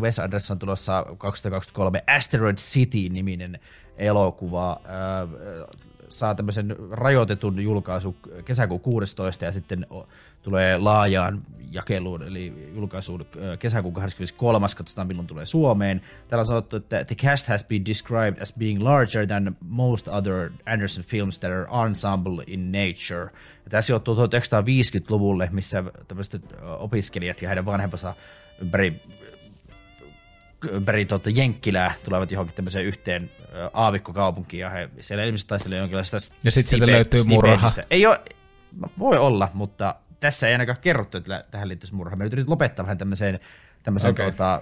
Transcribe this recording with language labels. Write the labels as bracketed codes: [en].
[fi] Wes Anderson on tulossa 2023 Asteroid City-niminen elokuva. Saa tämmöisen rajoitetun julkaisu kesäkuun 16 ja sitten tulee laajaan jakeluun, eli julkaisuun kesäkuun 23. Katsotaan, milloin tulee Suomeen. Täällä on sanottu, että [en] the cast has been described as being larger than most other Anderson films that are ensemble in nature. [fi] Ja tässä sijoittuu 1950-luvulle, missä tämmöiset opiskelijat ja heidän vanhempansa ympäri Jenkkilää tulevat johonkin tämmöiseen yhteen aavikkokaupunkiin, ja he siellä ilmeisesti taistelivat jonkinlaista ja sitten sieltä löytyy murha. Ei ole, voi olla, mutta tässä ei ainakaan kerrottu, että tähän liittyisi murha. Me nyt yritin lopettaa vähän tämmöiseen okay.